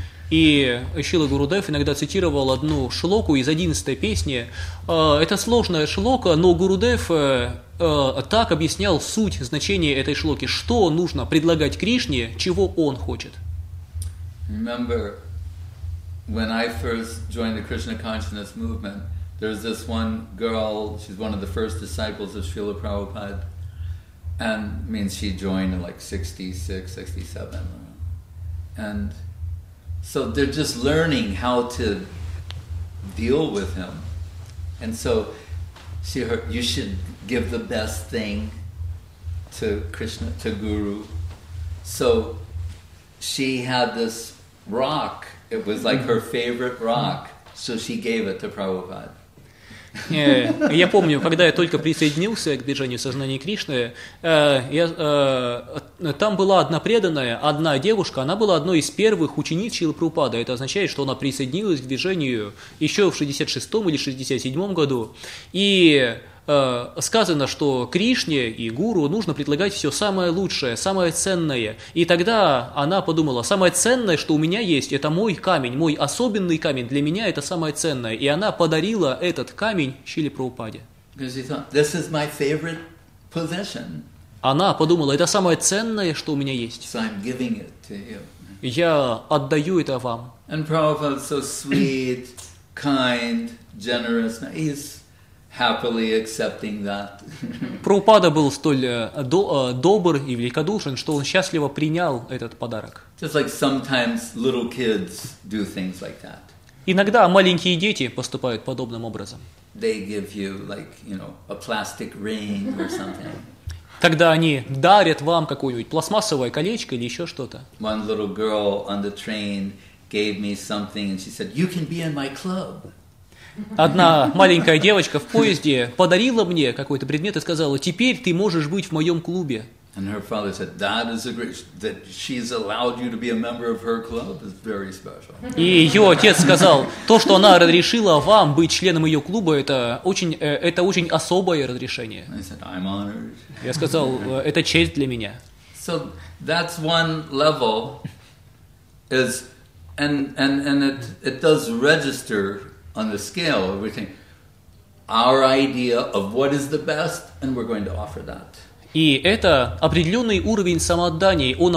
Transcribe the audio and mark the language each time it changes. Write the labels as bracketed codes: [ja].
[ru] И Шрила Гурудев иногда цитировал одну шлоку из 11-й песни. Это сложная шлока, но Гурудев так объяснял суть значения этой шлоки: что нужно предлагать Кришне, чего он хочет. [en] Remember, when I first joined the Krishna Consciousness Movement, there's this one girl, she's one of the first disciples of Srila Prabhupada, and I mean, she joined in like 66, 67. And so they're just learning how to deal with him. And so she heard, you should give the best thing to Krishna, to Guru. So she had this rock. It was like her favorite rock, so she gave it to Prabhupada. [ru] Я помню, когда я только присоединился к движению сознания Кришны, там была одна преданная, одна девушка, она была одной из первых учениц Шрилы Прабхупады. Это означает, что она присоединилась к движению еще в 66-м или 67-м году. И сказано, что Кришне и Гуру нужно предлагать все самое лучшее, самое ценное. И тогда она подумала, самое ценное, что у меня есть, это мой камень, мой особенный камень, для меня это самое ценное. И она подарила этот камень Шриле Прабхупаде. [en] This is my favorite possession. [ru] Она подумала, это самое ценное, что у меня есть. [en] So I'm giving it to you. [ru] Я отдаю это вам. [en] And Prabhupada so sweet, kind, generous. He's happily accepting that. [ru] Прабхупада был столь добр и великодушен, что он счастливо принял этот подарок. [en] Just like sometimes little kids do things like that. [ru] Иногда маленькие дети поступают подобным образом. [en] They give you like, you know, a plastic ring or something. [ru] Тогда они дарят вам какое-нибудь пластмассовое колечко или еще что-то. [en] One little girl on the train gave me something, and she said, "You can be in my club." [ru] Одна маленькая девочка в поезде подарила мне какой-то предмет и сказала: "Теперь ты можешь быть в моем клубе." [en] And her father said, "That is a great that she's allowed you to be a member of her club is very special." [ru] И ее отец сказал: "То, что она разрешила вам быть членом ее клуба, это очень особое разрешение." [en] I said, "I'm honored." [ru] Я сказал: "Это честь для меня." [en] So that's one level is and it does register on the scale of everything. Our idea of what is the best, and we're going to offer that. [ru] И это определенный уровень самоотдания.